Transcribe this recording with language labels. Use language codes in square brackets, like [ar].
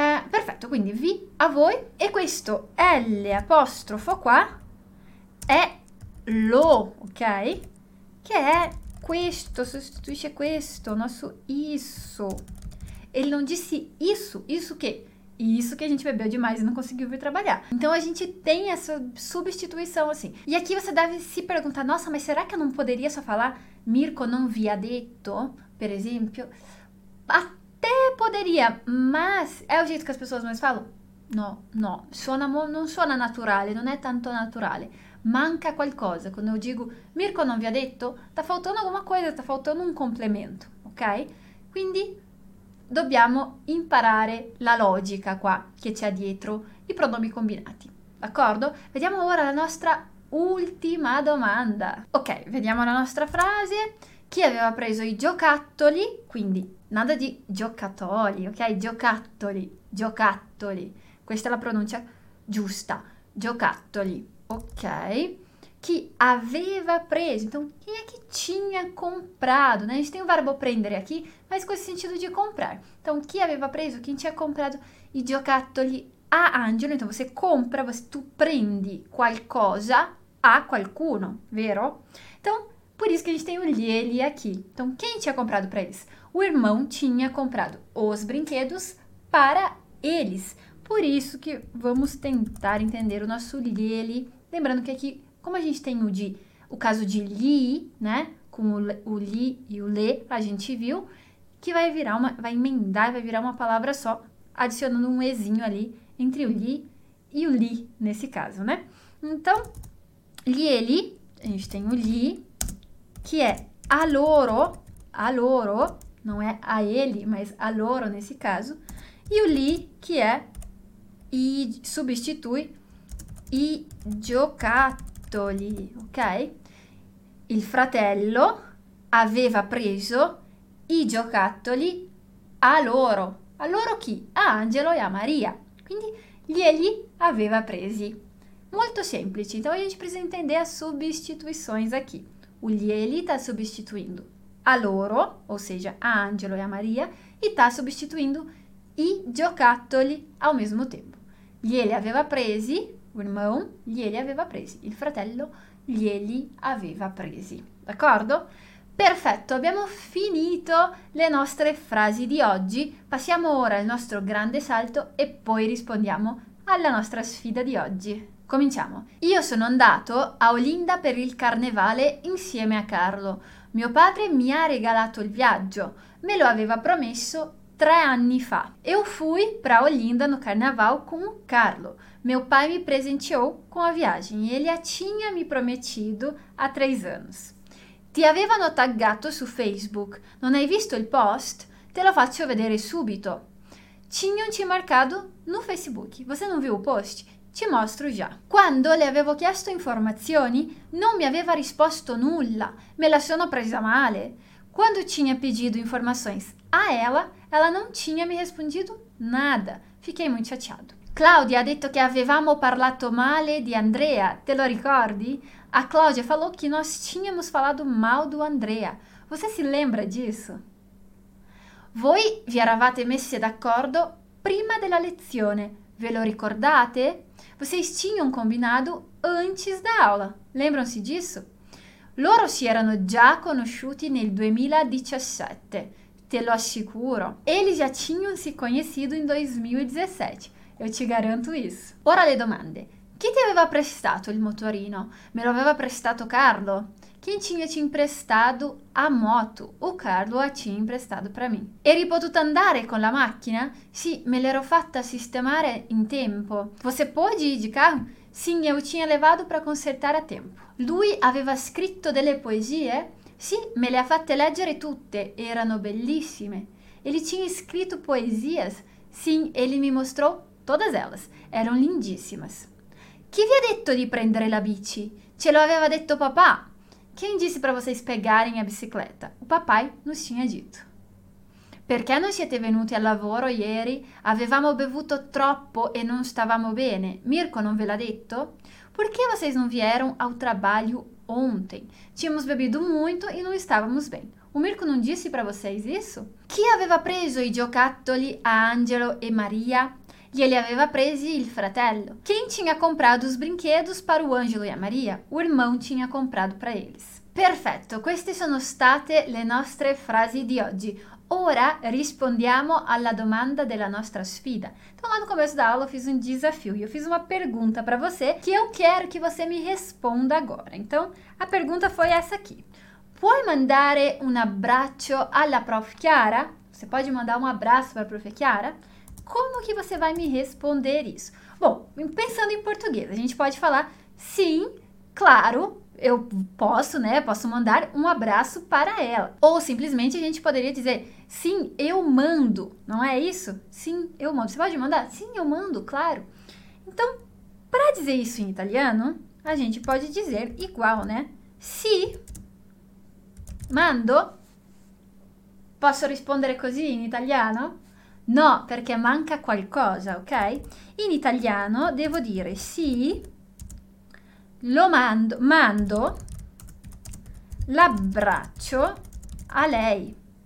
[it] Perfetto, quindi vi a voi e questo L apostrofo qua è lo, ok? Che è questo, sostituisce questo, [pt] nosso isso. Ele não disse isso, isso che? Isso que a gente bebeu demais e não conseguiu vir trabalhar. Então, a gente tem essa substituição, assim. E aqui você deve se perguntar, nossa, mas será que eu não poderia só falar [it] Mirko non vi ha detto, [pt] per exemplo, até poderia, mas é o jeito que as pessoas mais falam. [it] No, no, suona, non suona naturale, non è tanto naturale. Manca qualcosa. [pt] Quando eu digo [it] Mirko non vi ha detto, [pt] sta faltando alguma coisa, sta faltando un complemento, ok? [it] Quindi dobbiamo imparare la logica qua che c'è dietro i pronomi combinati, d'accordo? Vediamo ora la nostra ultima domanda. Ok, vediamo la nostra frase. Chi aveva preso i giocattoli? Quindi, nada di giocattoli, ok? Giocattoli, giocattoli. Questa è la pronuncia giusta. Giocattoli, ok? Chi aveva preso? Então, chi è che [pt] tinha comprado? Né? A gente tem o verbo prendere aqui, mas com esse sentido de comprar. [it] Então, chi aveva preso? [pt] Quem tinha comprado i giocattoli a Angelo? Então, você compra, [it] tu prendi qualcosa a qualcuno, vero? [pt] Então, por isso que a gente tem o lhe aqui. Então, quem tinha comprado para eles? O irmão tinha comprado os brinquedos para eles. Por isso que vamos tentar entender o nosso lhe. Lembrando que aqui, como a gente tem o caso de lhe, né? Com o lhe e o lê, a gente viu que vai emendar, vai virar uma palavra só, adicionando um ezinho ali entre o lhe e o lhe, nesse caso, né? Então, lhe, a gente tem o lhe, que é a loro, não é a ele, mas a loro nesse caso, e o lhe, que é e substitui i giocattoli, ok? [it] Il fratello aveva preso i giocattoli a loro. A loro chi? A Angelo e a Maria. Quindi glieli aveva presi. Molto semplice. [pt] Então a gente precisa entender as substituições aqui. O glieli está substituindo a loro, ou seja, a Angelo e a Maria, e está substituindo i giocattoli ao mesmo tempo. [it] Glieli aveva presi, [pt] o irmão [it] glieli aveva presi, il fratello glieli aveva presi, d'accordo? Perfetto, abbiamo finito le nostre frasi di oggi. Passiamo ora al nostro grande salto e poi rispondiamo alla nostra sfida di oggi. Cominciamo. Io sono andato a Olinda per il carnevale insieme a Carlo. Mio padre mi ha regalato il viaggio, me lo aveva promesso 3 anni fa. [pt] Eu fui para Olinda no carnaval com o Carlo. Meu pai me presenteou com a viagem e ele a tinha me prometido há 3 anos. [it] Ti avevano taggato su Facebook. Non hai visto il post? Te lo faccio vedere subito. [pt] Tinham te marcado no Facebook. Você não viu o post? [it] Ti mostro già. Quando le avevo chiesto informazioni, non mi aveva risposto nulla. Me la sono presa male. [pt] Quando tinha pedido informações a ela, ela não tinha me respondido nada. Fiquei muito chateado. Claudia ha detto che avevamo parlato male di Andrea, te lo ricordi? A Claudia falou que nós tínhamos falado mal do Andrea. Você se lembra disso? [it] Voi vi eravate messi d'accordo prima della lezione, ve lo ricordate? [pt] Vocês tinham combinado antes da aula, lembram-se disso? [it] Loro si erano già conosciuti nel 2017. Te lo assicuro. [pt] Eles já tinham se conhecido em 2017. Eu te garanto isso. [it] Ora le domande. Chi ti aveva prestato il motorino? Me lo aveva prestato Carlo? [pt] Quem tinha te emprestado a moto? O Carlo a tinha emprestado para mim. [it] Eri potuta andare con la macchina? Sì, me l'ero fatta sistemare in tempo. [pt] Você pôde ir de carro? Sim, eu tinha levado para consertare a tempo. [it] Lui aveva scritto delle poesie? Sì, me le ha fatte leggere tutte, erano bellissime. [pt] Ele tinha escrito poesias? Sim, ele me mostrou todas elas, eram lindíssimas. [it] Chi vi ha detto di prendere la bici? Ce lo aveva detto papà. [pt] Quem disse para vocês pegarem a bicicleta? O papai nos tinha dito. [it] Perché non siete venuti al lavoro ieri? Avevamo bevuto troppo e non stavamo bene. Mirko non ve l'ha detto? [pt] Perché vocês non vieram ao trabalho ontem? Tínhamos bebido muito e não estávamos bem. O Mirko não disse para vocês isso? [it] Chi aveva preso i giocattoli a Angelo e Maria? Glieli aveva presi il fratello. [pt] Quem tinha comprado os brinquedos para o Angelo e a Maria? O irmão tinha comprado para eles. [it] Perfetto, queste sono state le nostre frasi di oggi. Ora rispondiamo alla domanda della nostra sfida. [pt] Então, lá no começo da aula, eu fiz um desafio e eu fiz uma pergunta para você que eu quero que você me responda agora. Então, a pergunta foi essa aqui: [it] Puoi mandare un abraço alla prof Chiara? [pt] Você pode mandar um abraço para a prof Chiara? Como que você vai me responder isso? Bom, pensando em português, a gente pode falar sim, claro, eu posso, né? Posso mandar um abraço para ela. Ou simplesmente a gente poderia dizer sim, eu mando, não é isso? Sim, eu mando. Você pode mandar? Sim, eu mando, claro. Então, para dizer isso em italiano, a gente pode dizer igual, né? [it] Se mando, posso rispondere così in italiano? No, perché manca qualcosa, ok? In italiano devo dire sì, mando l'abbraccio a lei.